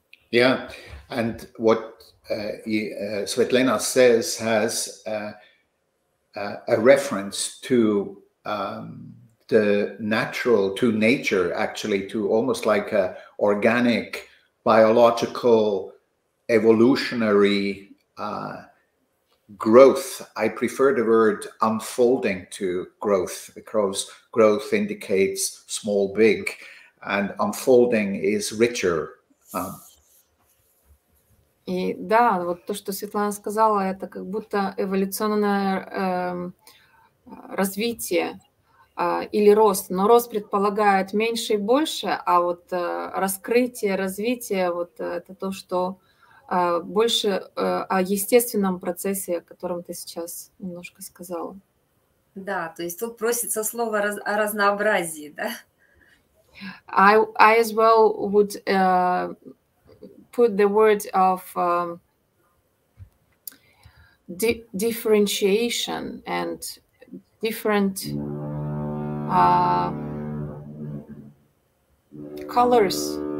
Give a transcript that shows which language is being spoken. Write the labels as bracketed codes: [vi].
[en] Yeah, and what Svetlana says has a reference to the natural, to nature, actually, to almost like a organic, biological, evolutionary growth. I prefer the word unfolding to growth, because growth indicates small, big, and unfolding is richer. [ru] И да, вот то, что Светлана сказала, это как будто эволюционное развитие или рост. Но рост предполагает меньше и больше, а вот раскрытие, развитие – вот это то, что больше о естественном процессе, о котором ты сейчас немножко сказала. Да, то есть тут просится слово о разнообразии, да? [en] I as well would... put the word of differentiation and different colors.